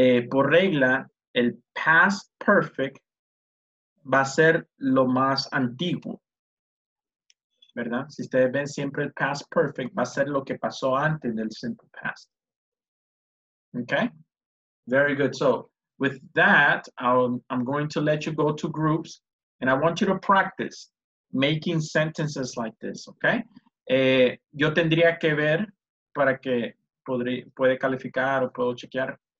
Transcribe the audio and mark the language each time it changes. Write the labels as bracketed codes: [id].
[es] Por regla, el past perfect va a ser lo más antiguo. ¿Verdad? Si ustedes ven, siempre el past perfect va a ser lo que pasó antes del simple past. [en] Okay? Very good. So, with that, I'm going to let you go to groups, and I want you to practice making sentences like this, okay? [es] Yo tendría que ver para que puede calificar o puedo chequear.